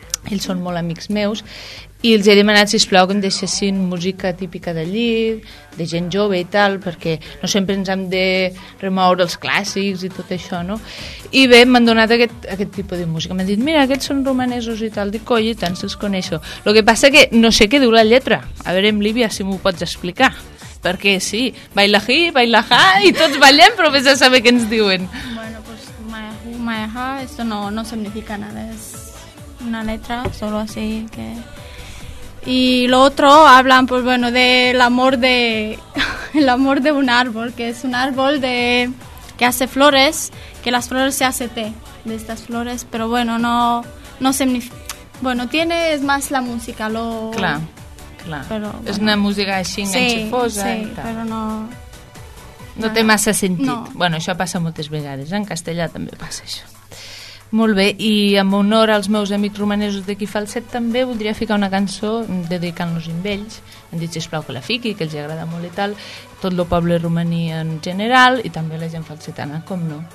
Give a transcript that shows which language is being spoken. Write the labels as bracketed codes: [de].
[ca] Ells són molt amics meus. I els he demanat, sisplau, que em deixessin música típica d'allí, de gent jove i tal, perquè no sempre ens hem de remoure els clàssics i tot això, no? I bé, m'han donat aquest tipus de música. M'han dit, mira, aquests són romanesos i tal. Dic, coi, tant se'ls coneixo. El que passa que no sé què diu la lletra. A veure, amb Lívia, si m'ho pots explicar. Perquè sí, baila hi, baila ha, i tots ballem, però vés a saber què ens diuen. [es] Bueno, pues, maia ha, esto no significa nada. Es una letra, solo así, que... Y lo otro hablan, pues bueno, del amor de el amor de un árbol, que es un árbol de que hace flores, que las flores se hace té de estas flores, pero bueno, no significa, bueno, tiene es más la música, lo claro. Pero bueno, es una música así enganchifosa, sí, pero no. [ca] No té massa sentit. No. Bueno, això passa moltes vegades, en castellà també passa això. Molt bé, i amb honor als meus amics romanesos d'aquí Falset també voldria ficar una cançó dedicant-los a ells. Han dit, sisplau, que la fiqui, que els agrada molt i tal, tot el poble romaní en general i també la gent falsetana, com no.